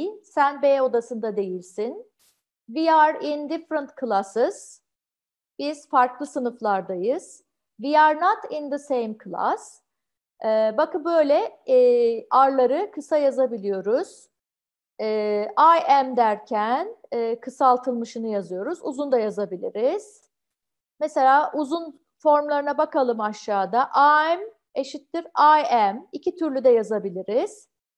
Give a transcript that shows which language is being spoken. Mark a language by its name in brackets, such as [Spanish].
[Turkish] Sen B odasında değilsin. [English] We are in different classes. [Turkish] Biz farklı sınıflardayız. [English] We are not in the same class. [Turkish] Bakın böyle are'ları kısa yazabiliyoruz. I am derken kısaltılmışını yazıyoruz. Uzun da yazabiliriz. Mesela uzun formlarına bakalım aşağıda. I'm eşittir I am. İki türlü de yazabiliriz.